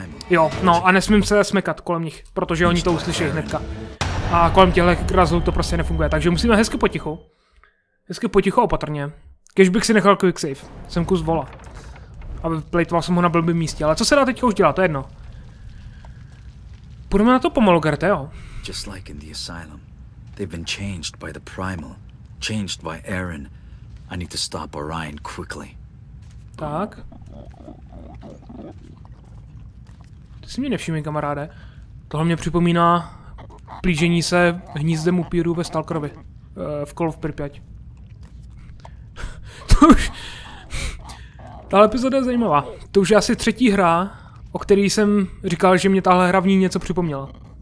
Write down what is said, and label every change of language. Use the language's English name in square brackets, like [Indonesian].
[Czech] Jo, no a nesmím se smekat kolem nich, protože oni to uslyší hnedka. A kolem těchto grazlů to prostě nefunguje, takže musíme hezky potichu. Hezky potichu a opatrně. Kéž bych si nechal quick save, jsem kus vola. A plejtoval jsem ho na blbým místě, ale co se dá teďka už dělat, to je jedno. Půjdeme na to pomalu, Gerte, jo. [English] Just like in the asylum, they've been changed by the primal. Changed by Aaron. I need to stop Orion quickly. [Czech] Tak. Ty si mě nevšimli, kamaráde. Tohle mě připomíná plížení se hnízdem upíru ve Stalkerovi. V Call of Pripyat. To už... Tahle epizoda je zajímavá. To už je asi třetí hra, o který jsem říkal, že mě tahle hra v ní něco připomněla.